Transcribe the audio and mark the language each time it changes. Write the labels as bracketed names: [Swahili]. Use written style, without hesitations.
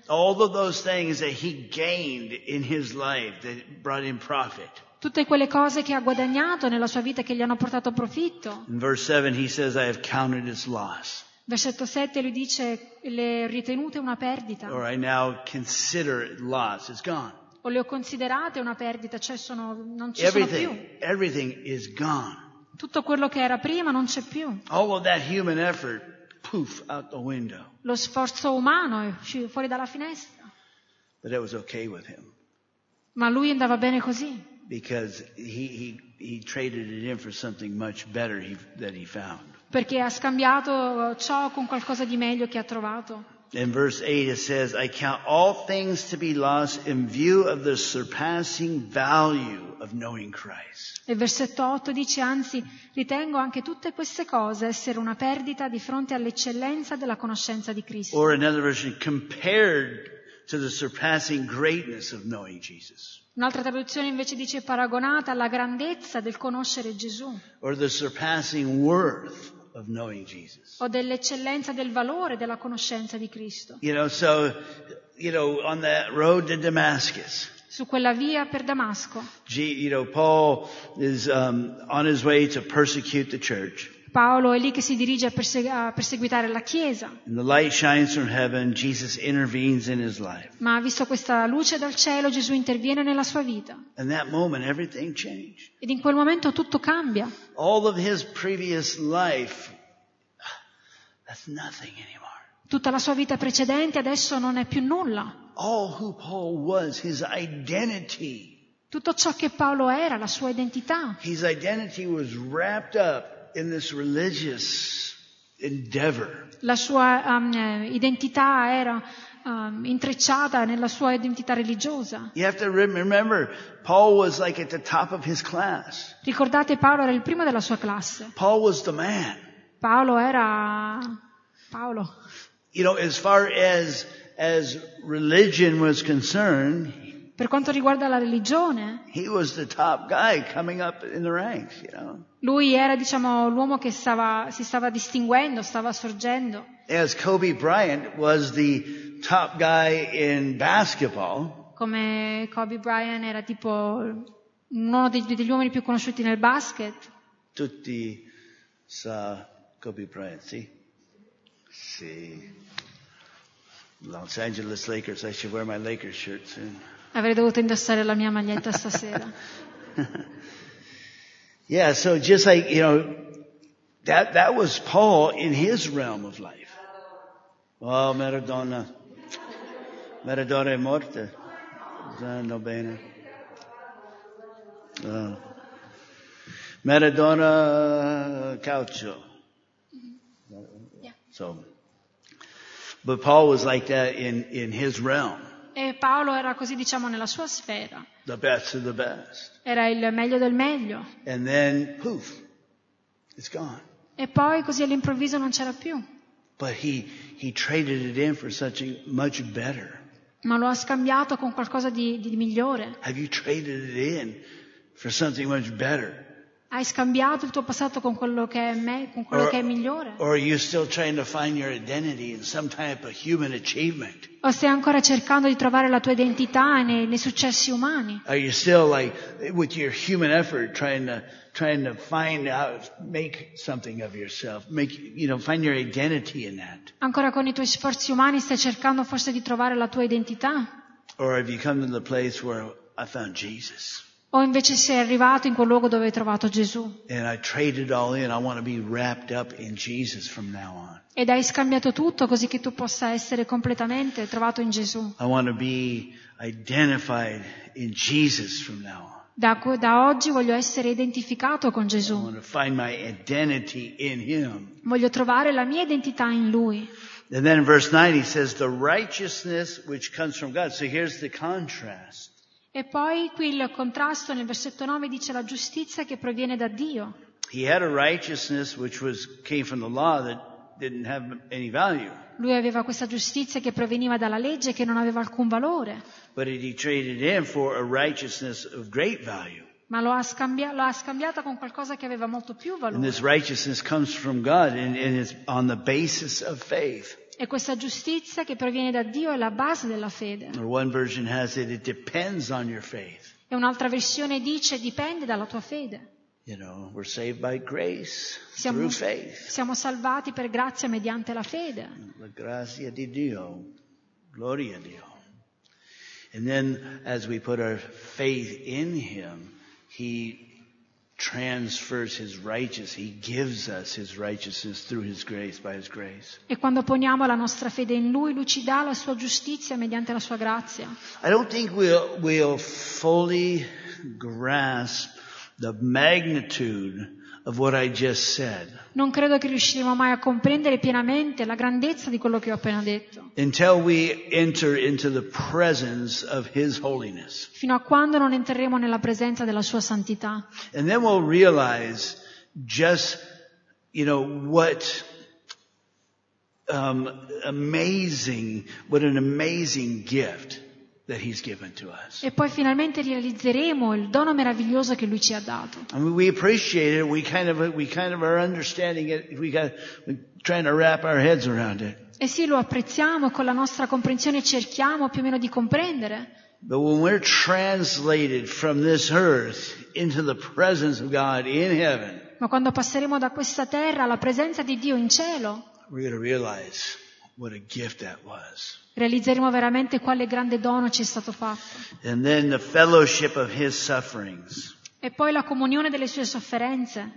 [English] All of those things that he gained in his life that brought him profit. [Italian] Tutte quelle cose che ha guadagnato nella sua vita che gli hanno portato profitto. [English] In verse 7 he says, I have counted as loss. [Italian] Versetto 7 lui dice le ritenute una perdita. [English] Or I now consider it loss. It's gone. [Italian] O le ho considerate una perdita, cioè sono non ci [English] everything, [Italian] sono più. [English] Everything is gone. [Italian] Tutto quello che era prima non c'è più. [English] All of that human effort, poof, out the window. [Italian] Lo sforzo umano è fuori dalla finestra. [English] But it was okay with him. [Italian] Ma lui andava bene così. [English] Because he traded it in for something much better that he found. [Italian] Perché ha scambiato ciò con qualcosa di meglio che ha trovato. [English] In verse 8 it says, I count all things to be lost in view of the surpassing value of knowing Christ. [Italian] E versetto 8 dice, anzi, ritengo anche tutte queste cose essere una perdita di fronte all'eccellenza della conoscenza di Cristo. [English] Or another version, compared to the surpassing greatness of knowing Jesus. [Italian] Un'altra traduzione invece dice, paragonata alla grandezza del conoscere Gesù. [English] Or the surpassing worth of knowing Jesus. [Italian] O dell'eccellenza del valore della conoscenza di Cristo. [English] You know, so, you know, on that road to Damascus. [Italian] Su quella via per Damasco. [English] You know, Paul is on his way to persecute the church. [Italian] Paolo è lì che si dirige a perseguitare la Chiesa. [English] And the light shines from heaven, Jesus intervenes in his life. [Italian] Ma visto questa luce dal cielo, Gesù interviene nella sua vita. [English] And that moment everything changed. [Italian] Ed in quel momento tutto cambia. [English] All of his previous life, that's nothing anymore. [Italian] Tutta la sua vita precedente adesso non è più nulla. [English] All who Paul was, his identity. [Italian] Tutto ciò che Paolo era, la sua identità. [English] His identity was wrapped up in this religious endeavor. [Italian] La sua identità era intrecciata nella sua identità religiosa. [English] You have to remember, Paul was like at the top of his class. [Italian] Ricordate, Paolo era il primo della sua classe. [English] Paul was the man. [Italian] Paolo era Paolo. [English] You know, as far as religion was concerned, [Italian] per quanto riguarda la religione, [English] he was the top guy coming up in the ranks, you know. [Italian] Lui era, diciamo, l'uomo che si stava distinguendo, stava sorgendo. [English] As Kobe Bryant was the top guy in basketball. [Italian] Come Kobe Bryant era tipo uno degli uomini più conosciuti nel basket. Tutti sa Kobe Bryant, sì? Sì. [English] Los Angeles Lakers, I should wear my Lakers shirt soon. [Italian] Avrei dovuto indossare la mia maglietta stasera. [English] Yeah, so just like, you know, that was Paul in his realm of life. [Italian] Oh, Maradona. Maradona è morta. Zanno bene. Maradona calcio. [English] Yeah. So, but Paul was like that in his realm. [Italian] E Paolo era così, diciamo, nella sua sfera. [English] The best of the best. [Italian] Era il meglio del meglio. [English] And then, poof, it's gone. [Italian] E poi così all'improvviso non c'era più. [English] But he traded it in for something much better. [Italian] Ma lo ha scambiato con qualcosa di migliore. [English] Have you traded it in for something much better? [Italian] Hai scambiato il tuo passato con quello che è migliore? [English] Or are you still trying to find your identity in some type of human achievement? [Italian] O stai ancora cercando di trovare la tua identità nei successi umani? [English] Are you still like with your human effort trying to find out, make something of yourself, make, you know, find your identity in that? [Italian] Ancora con i tuoi sforzi umani stai cercando forse di trovare la tua identità? [English] Or have you come to the place where I found Jesus? [Italian] O invece sei arrivato in quel luogo dove hai trovato Gesù. [English] And I traded all in. I want to be wrapped up in Jesus from now on. [Italian] Ed hai scambiato tutto così che tu possa essere completamente trovato in Gesù. [English] I want to be identified in Jesus from now on. [Italian] Da oggi voglio essere identificato con Gesù. [English] I want to find my identity in him. [Italian] Voglio trovare la mia identità in Lui. [English] And then in verse 9 he says the righteousness which comes from God. So here's the contrast. [Italian] E poi qui il contrasto nel versetto 9 dice la giustizia che proviene da Dio. [English] He had a righteousness which was came from the law that didn't have any value. [Italian] Lui aveva questa giustizia che proveniva dalla legge che non aveva alcun valore. [English] But he traded in for a righteousness of great value. [Italian] Ma lo ha scambiata con qualcosa che aveva molto più valore. [English] And this righteousness comes from God and it's on the basis of faith. [Italian] E questa giustizia che proviene da Dio è la base della fede. [English] One version has it, it depends on your faith. [Italian] E un'altra versione dice dipende dalla tua fede. [English] You know, we're saved by grace through faith. [Italian] Siamo salvati per grazia mediante la fede. La grazia di Dio, gloria a Dio. [English] And then, as we put our faith in Him, He transfers His righteousness. He gives us His righteousness through His grace, by His grace. [Italian] E quando poniamo la nostra fede in Lui, Lui ci dà la sua giustizia mediante la sua grazia. [English] I don't think we'll fully grasp the magnitude of what I just said. [Italian] Non credo che riusciremo mai a comprendere pienamente la grandezza di quello che ho appena detto. [English] Until we enter into the presence of His holiness. [Italian] Fino a quando non entreremo nella presenza della Sua santità. [English] And then we'll realize just, you know, what an amazing gift. That he's given to us. [Italian] E poi finalmente realizzeremo il dono meraviglioso che lui ci ha dato. [English] I mean, we appreciate it. We kind of are understanding it. We're trying to wrap our heads around it. [Italian] E sì, lo apprezziamo con la nostra comprensione cerchiamo più o meno di comprendere. [English] But when we're translated from this earth into the presence of God in heaven. [Italian] Ma quando passeremo da questa terra alla presenza di Dio in cielo. [English] We're going to realize what a gift that was. [Italian] Realizzeremo veramente quale grande dono ci è stato fatto. [English] And then the fellowship of his sufferings. [Italian] E poi la comunione delle sue sofferenze.